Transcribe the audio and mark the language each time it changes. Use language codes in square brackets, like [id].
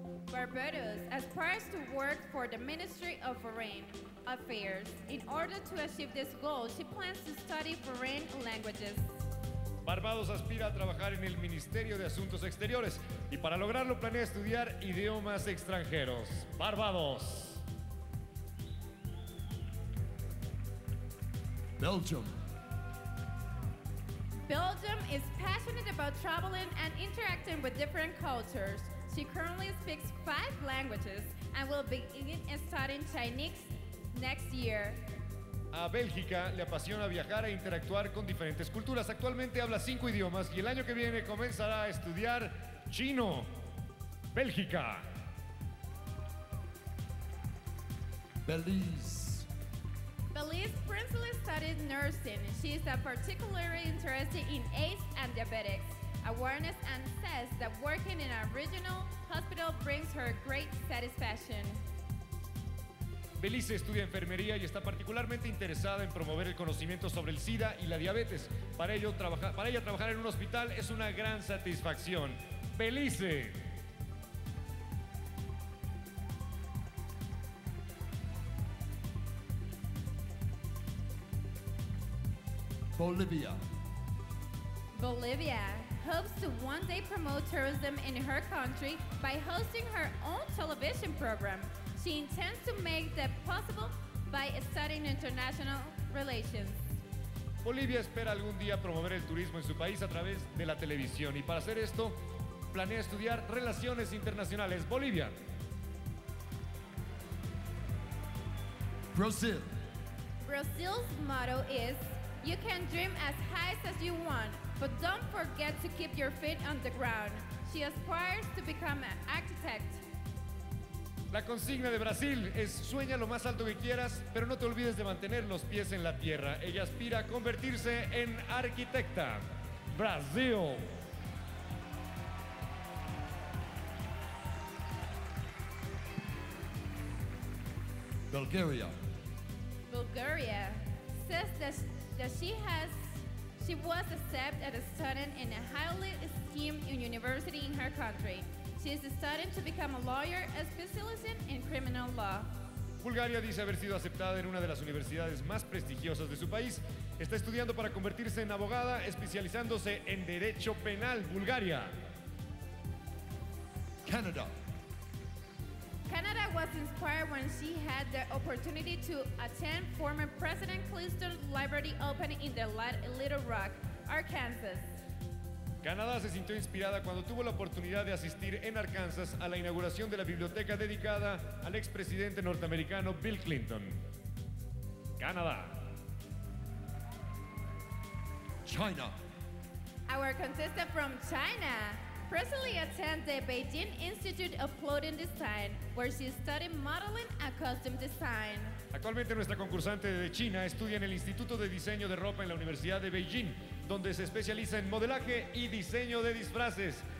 [en] Barbados aspires to work for the Ministry of Foreign Affairs. In order to achieve this goal, she plans to study foreign languages. [es] Barbados aspira a trabajar en el Ministerio de Asuntos Exteriores y para lograrlo planea estudiar idiomas extranjeros. Barbados. [en] Belgium. Belgium is passionate about traveling and interacting with different cultures. She currently speaks 5 languages and will begin studying Chinese next year. [es] A Bélgica le apasiona viajar e interactuar con diferentes culturas. Actualmente habla 5 idiomas y el año que viene comenzará a estudiar chino. Bélgica. [en] Belize. Belize principally studied nursing. She is particularly interested in AIDS and diabetics awareness and says that working in a regional hospital brings her great satisfaction. [es] Belice estudia enfermería y está particularmente interesada en promover el conocimiento sobre el SIDA y la diabetes. Para ella trabajar en un hospital es una gran satisfacción. Belice. [en] Bolivia. Bolivia hopes to one day promote tourism in her country by hosting her own television program. She intends to make that possible by studying international relations. [es] Bolivia espera algún día promover el turismo en su país a través de la televisión y para hacer esto planea estudiar relaciones internacionales. Bolivia. [en] Brazil. Brazil's motto is you can dream as high as you want, but don't forget to keep your feet on the ground. She aspires to become an architect. [es] La consigna de Brasil es sueña lo más alto que quieras, pero no te olvides de mantener los pies en la tierra. Ella aspira a convertirse en arquitecta. Brasil. [en] Bulgaria. Bulgaria says that she was accepted as a student in a highly esteemed university in her country. She is studying to become a lawyer, specializing in criminal law. [es] Bulgaria dice haber sido aceptada en una de las universidades más prestigiosas de su país. Está estudiando para convertirse en abogada, especializándose en derecho penal. Bulgaria. [en] Canada. Canada was inspired when she had the opportunity to attend former President Clinton's Liberty Open in the Little Rock, Arkansas. [es] Canadá se sintió inspirada cuando tuvo la oportunidad de asistir en Arkansas a la inauguración de la biblioteca dedicada al expresidente norteamericano Bill Clinton. Canadá. [en] China. Our contestant from China presently attends the Beijing Institute of Clothing Design, where she studied modeling and costume design. [es] Actualmente nuestra concursante de China estudia en el Instituto de Diseño de Ropa en la Universidad de Beijing, donde se especializa en modelaje y diseño de disfraces.